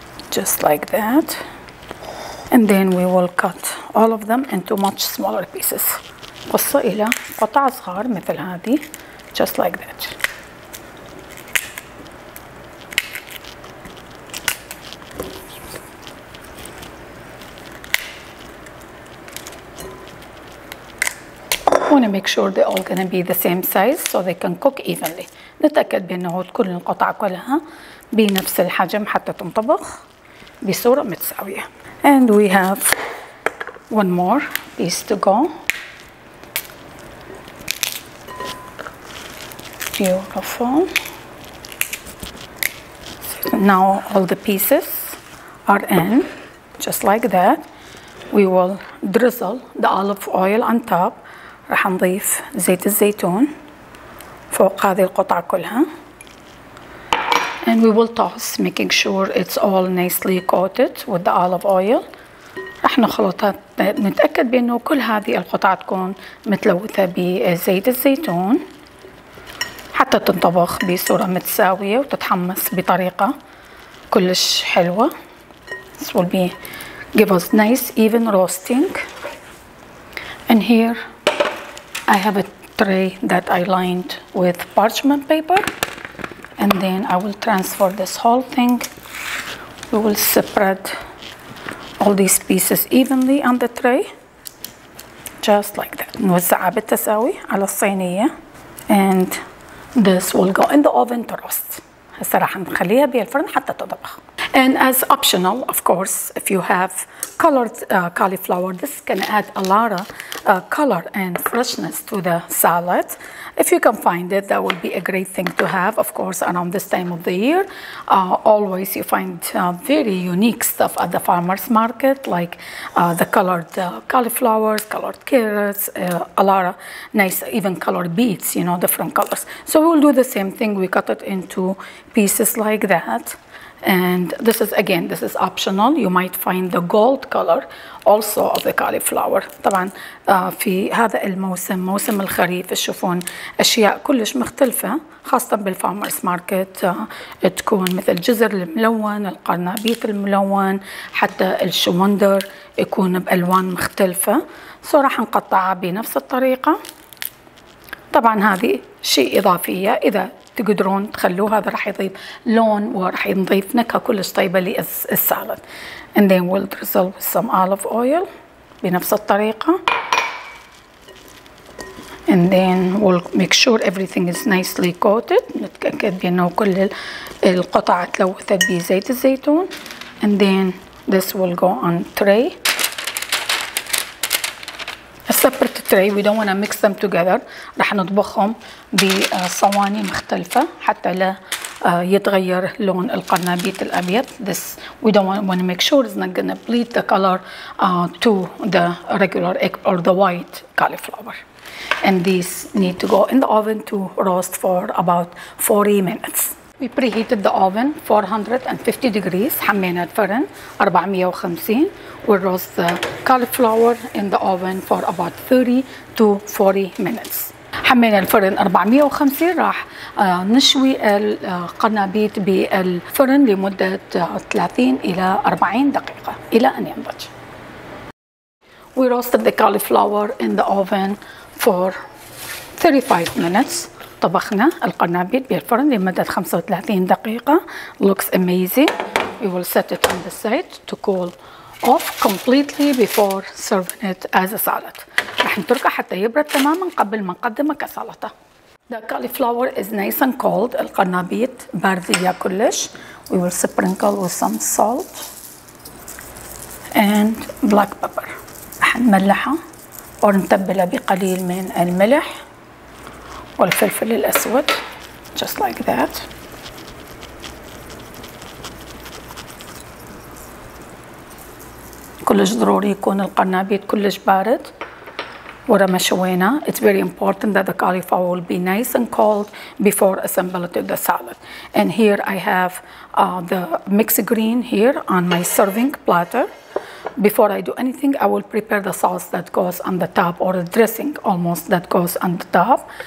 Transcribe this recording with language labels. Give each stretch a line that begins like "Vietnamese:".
English: Just like that, and then we will cut all of them into much smaller pieces.
Arabic: قصوا إلى قطع صغار مثل هذه,
English: just like that. Wanna make sure they're all gonna be the same size so they can cook evenly.
Arabic: نتأكد بأنه كل القطع كلها بنفس الحجم حتى تنطبخ. بصورة متساوية.
English: And we have one more piece to go. Beautiful. Now all the pieces are in, just like that. We will drizzle the olive oil on top.
Arabic: رح نضيف زيت الزيتون فوق هذه القطع كلها.
English: And we will toss, making sure it's all nicely coated with the olive oil.
Arabic: رح نخلطها, نتأكد بأنه كل هذه القطع تكون متلوثة بزيت الزيتون حتى تنطبخ بصورة متساوية وتتحمص بطريقة كلش حلوة.
English: This will be, give us nice even roasting. And here I have a tray that I lined with parchment paper. And then I will transfer this whole thing. We will spread all these pieces evenly on the tray. Just like that.
Arabic: نوزعها بالتساوي على الصينية.
English: And this will go in the oven to roast.
Arabic: هسه راح نخليها بالفرن حتى تطبخ.
English: And as optional, of course, if you have colored cauliflower, this can add a lot of color and freshness to the salad. If you can find it, that would be a great thing to have, of course, around this time of the year. Always you find very unique stuff at the farmer's market, like the colored cauliflowers, colored carrots, a lot of nice, even colored beets, you know, different colors. So we'll do the same thing. We cut it into pieces like that. And this is, again, this is optional. You might find the gold color also of the cauliflower.
Arabic: طبعا في هذا الموسم, موسم الخريف, تشوفون أشياء كلش مختلفة, خاصة بالفارمرز ماركت. تكون مثل جزر الملون, القرنبيط الملون, حتى الشمندر يكون بألوان مختلفة. So راح نقطعها بنفس الطريقة. طبعا هذه شيء إضافية. إذا تقدرون تخلوه، هذا راح يضيف لون وراح يضيف نكهة كلش طيبة للسالاد.
English: And then we'll drizzle with some olive oil
Arabic: بنفس الطريقة.
English: And then we'll make sure everything is nicely coated.
Arabic: نتأكد بأنه كل القطع تلوثت بزيت الزيتون.
English: And then this will go on tray. A separate tray. We don't want to mix them together.
Arabic: رح نطبخهم بصواني مختلفة حتى لا يتغير لون القرنبيط الأبيض.
English: This we don't want to make sure it's not gonna bleed the color to the regular egg or the white cauliflower. And these need to go in the oven to roast for about 40 minutes. We preheated the oven 450 degrees.
Arabic: حمينا الفرن 450.
English: We'll roast the cauliflower in the oven for about 30 to 40 minutes.
Arabic: حمينا الفرن 450، راح نشوي القرنبيط بالفرن لمدة 30 إلى 40 دقيقة إلى أن ينضج.
English: We roasted the cauliflower in the oven for 35 minutes.
Arabic: طبخنا القرنبيط بالفرن لمدة 35 دقيقة.
English: Looks amazing. We will set it on the side to cool off completely before serving it as a salad.
Arabic: راح نتركه حتى يبرد تماما قبل ما نقدمه كسلطة.
English: The cauliflower is nice and cold.
Arabic: القرنبيط باردية كلش.
English: We will sprinkle with some salt and black pepper.
Arabic: راح نملحها ونتبلها بقليل من الملح والفلفل الأسود.
English: Just like that.
Arabic: كلش ضروري يكون القرنبيط كلش بارد ورا ما شوينا.
English: It's very important that the cauliflower will be nice and cold before assembling the salad. And here I have the mixed green here on my serving platter. Before I do anything, I will prepare the sauce that goes on the top, or the dressing almost that goes on the top.